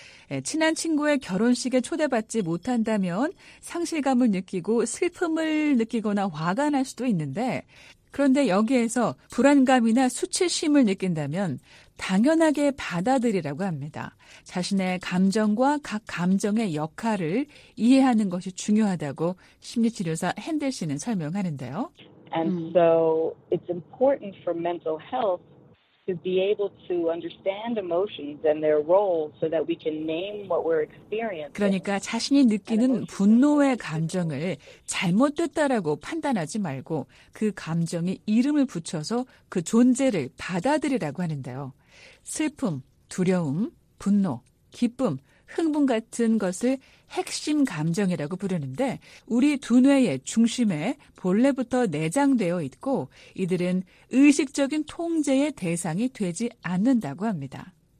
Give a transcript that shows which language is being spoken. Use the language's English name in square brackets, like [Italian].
[Korean] 네, 친한 친구의 결혼식에 초대받지 못한다면 상실감을 느끼고 슬픔을 느끼거나 화가 날 수도 있는데, 그런데 여기에서 불안감이나 수치심을 느낀다면 당연하게 받아들이라고 합니다. 자신의 감정과 각 감정의 역할을 이해하는 것이 중요하다고 심리치료사 핸들 씨는 설명하는데요. [English] And so it's important for mental health to be able to understand emotions and their role so that we can name what we're experiencing. [Korean] 그러니까 자신이 느끼는 분노의 감정을 잘못됐다라고 판단하지 말고 그 감정에 이름을 붙여서 그 존재를 받아들이라고 하는데요. 슬픔, 두려움, 분노, 기쁨, 흥분 같은 것을 핵심 감정이라고 부르는데 우리 두뇌의 중심에 본래부터 내장되어 있고 이들은 의식적인 통제의 대상이 되지 않는다고 합니다.